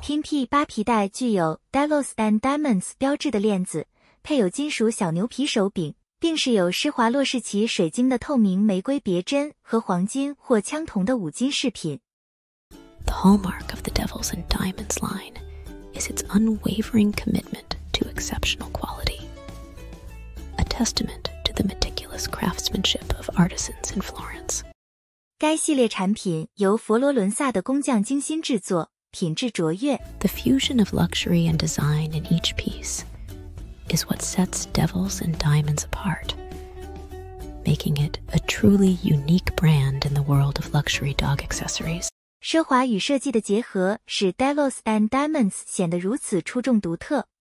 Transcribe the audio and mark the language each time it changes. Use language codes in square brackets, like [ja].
[zh] 拼屁扒皮带具有 Devils and Diamonds 标志的链子，配有金属小牛皮手柄，并饰有施华洛世奇水晶的透明玫瑰别针和黄金或枪铜的五金饰品。 [en] The hallmark of the Devils and Diamonds line is its unwavering commitment to exceptional quality. A testament to the meticulous craftsmanship of artisans in Florence. [zh] 该系列产品由佛罗伦萨的工匠精心制作，品质卓越。 [en] The fusion of luxury and design in each piece is what sets Devils and Diamonds apart, making it a truly unique brand in the world of luxury dog accessories. [zh] 奢华与设计的结合使 Devils and Diamonds 显得如此出众独特。